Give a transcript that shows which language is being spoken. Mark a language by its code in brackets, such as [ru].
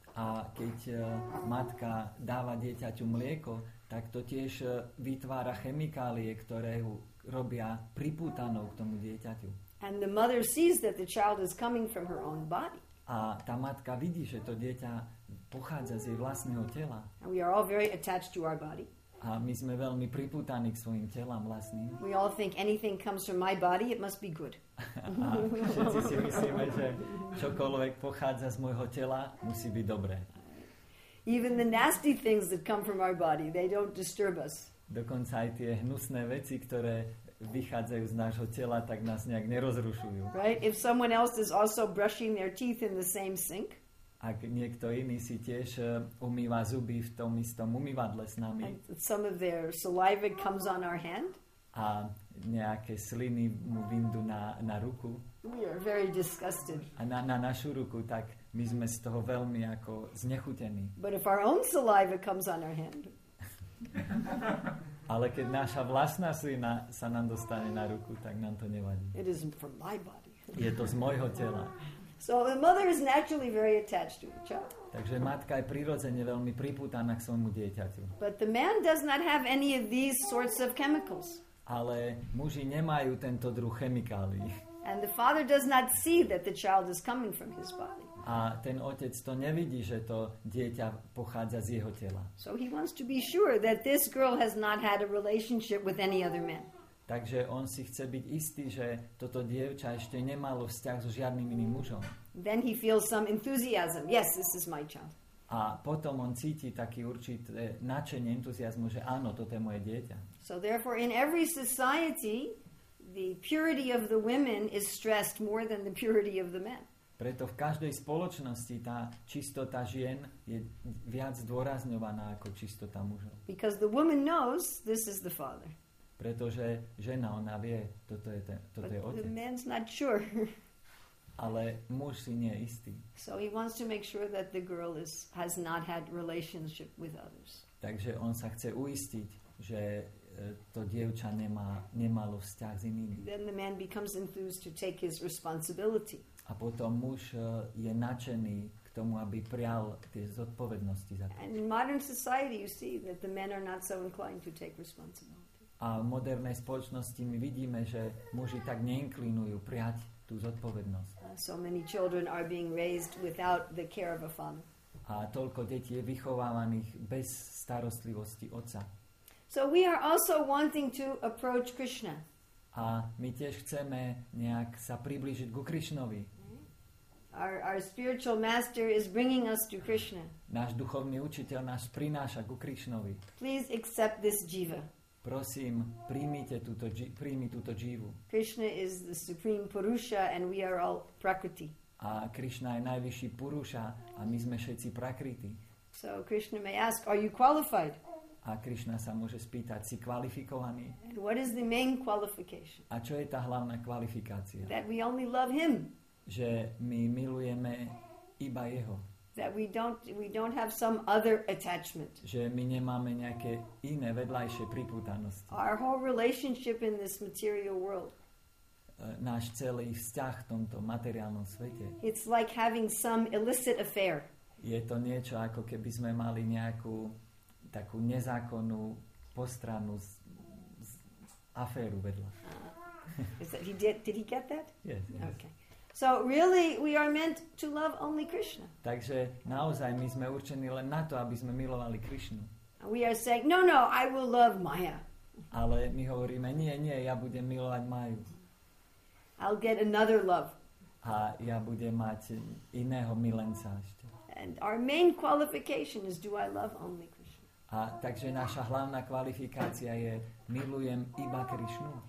[sk] A keď matka dáva dieťaťu mlieko, tak to tiež vytvára chemikálie, ktoré ho robia pripútanou k tomu dieťaťu. [en] And the mother sees that the child is coming from her own body. [sk] A tá matka vidí, že to dieťa pochádza z jej vlastného tela. [en] And we are all very attached to our body. [sk] A my sme veľmi pripútaní k svojim telám vlastným. [en] We all think anything comes from my body, it must be good. [sk] A všetci si myslíme, že čokoľvek pochádza z môjho tela, musí byť dobré. [en] Even the nasty things that come from our body, they don't disturb us. [sk] Dokonca aj tie hnusné veci, ktoré vychádzajú z nášho tela, tak nás nejak nerozrušujú. [en] Right? If someone else is also brushing their teeth in the same sink, [sk] ak niekto iný si tiež umýva zuby v tom istom umývadle s nami. [en] And some of their saliva comes on our hand. [sk] A nejaké sliny mu vyndú na ruku. [en] We are very disgusted. [sk] A na našu ruku, tak my sme z toho veľmi ako znechutení. [en] But if our own saliva comes on our hand. [sk] Ale keď naša vlastná slina sa nám dostane na ruku, tak nám to nevadí. [en] It isn't from my body. [sk] Je to z môjho tela. [en] So the mother is naturally very attached to the child. [sk] Takže matka je prirodzene veľmi pripútaná k svojmu dieťaťu. [en] But the man does not have any of these sorts of chemicals. [sk] Ale muži nemajú tento druh chemikálií. [en] And the father does not see that the child is coming from his body. [sk] A ten otec to nevidí, že to dieťa pochádza z jeho tela. [en] So he wants to be sure that this girl has not had a relationship with any other man. [sk] Takže on si chce byť istý, že toto dievča ešte nemalo vzťah so žiadnym iným mužom. [en] Then he feels some enthusiasm. Yes, this is my child. [sk] A potom on cíti taký určité nadšenie, entuziasmu, že áno, toto je moje dieťa. [en] So therefore in every society the purity of the women is stressed more than the purity of the men. [sk] Preto v každej spoločnosti tá čistota žien je viac zdôrazňovaná ako čistota mužov. [en] Because the woman knows this is the father. [sk] Pretože žena, ona vie, toto je otec. [en] But the man's not sure. [sk] Ale muž si nie je istý. [en] So he wants to make sure that the girl has not had relationship with others. [sk] Takže on sa chce uistiť, že to dievča nemalo vzťah s inými. [en] Then the man becomes enthused to take his responsibility. [sk] A potom muž je nadšený k tomu, aby prial tie zodpovednosti za to. [en] And in modern society you see that the men are not so inclined to take responsibility. [sk] A v modernej spoločnosti my vidíme, že muži tak neinklinujú prijať tú zodpovednosť. [en] So many children are being raised without the care of a father. [sk] A toľko detí je vychovávaných bez starostlivosti otca. [en] So we are also wanting to approach Krishna. [sk] A my tiež chceme nejak sa priblížiť ku Krishnovi. [en] Our spiritual master is bringing us to Krishna. [sk] Náš duchovný učiteľ nás prináša ku Krishnovi. [en] Please accept this jiva. [sk] Prosím, príjmi túto jivu. [en] Krishna is the supreme purusha and we are all prakriti. [sk] A Krishna je najvyšší purusha a my sme všetci prakriti. [en] So Krishna may ask, are you qualified? [sk] A Krishna sa môže spýtať, si kvalifikovaný? [en] And what is the main qualification? [sk] A čo je tá hlavná kvalifikácia? [en] That we only love him. [sk] Že my milujeme iba jeho. [en] That we don't have some other attachment. [sk] Že my nemáme nejaké iné vedľajšie pripútanosti. [en] Our whole relationship in this material world. [sk] Náš celý vzťah v tomto materiálnom svete. [en] It's like having some illicit affair. [sk] Je to niečo, ako keby sme mali nejakú takú nezákonnú postranu z aféru vedľa. [en] Did he get that? Yes, yes. Okay. So really we are meant to love only Krishna. [sk] Takže naozaj my sme určení len na to, aby sme milovali Krishnu. [en] We are saying no, I will love Maya. [sk] Ale my hovoríme nie, ja budem milovať Maju. [en] I'll get another love. [sk] A ja budem mať iného milenca ešte. [en] And our main qualification is do I love only Krishna. [sk] A takže naša hlavná kvalifikácia je milujem iba Krishnu.